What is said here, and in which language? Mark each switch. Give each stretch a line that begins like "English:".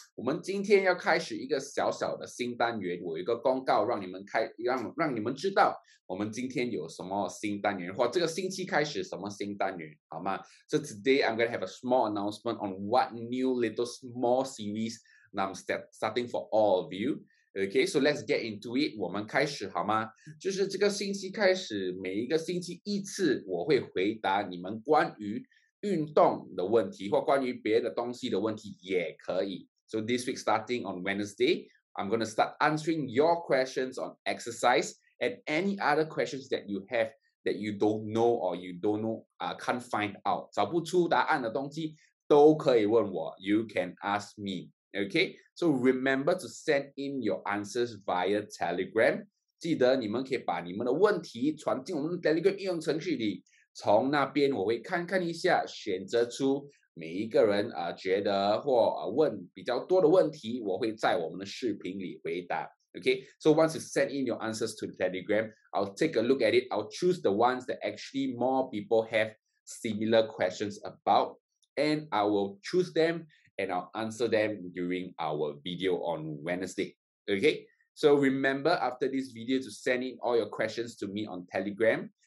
Chinese: 我们今天要开始一个小小的新单元，我有一个公告让你们开，让你们知道我们今天有什么新单元，或这个星期开始什么新单元，好吗？
English: So today I'm going to have a small announcement on what new little small series I'm starting for all of you. Okay, so let's get into it.
Chinese: 我们开始好吗？就是这个星期开始，每一个星期一次，我会回答你们关于运动的问题，或关于别的东西的问题也可以。
English: So this week starting on Wednesday, I'm going to start answering your questions on exercise and any other questions that you have that you don't know or you don't know, can't find out.
Chinese: 找不出答案的东西都可以问我。
English: You can ask me. Okay, so remember to send in your answers via Telegram.
Chinese: 记得你们可以把你们的问题传进我们的 Telegram 应用程序里。从那边我会看看一下，选择出每一个人觉得或问比较多的问题，我会在我们的视频里回答。
English: Okay, so once you send in your answers to the Telegram, I'll take a look at it. I'll choose the ones that actually more people have similar questions about, and I will choose them. And I'll answer them during our video on Wednesday. Okay? So remember, after this video, to send in all your questions to me on Telegram.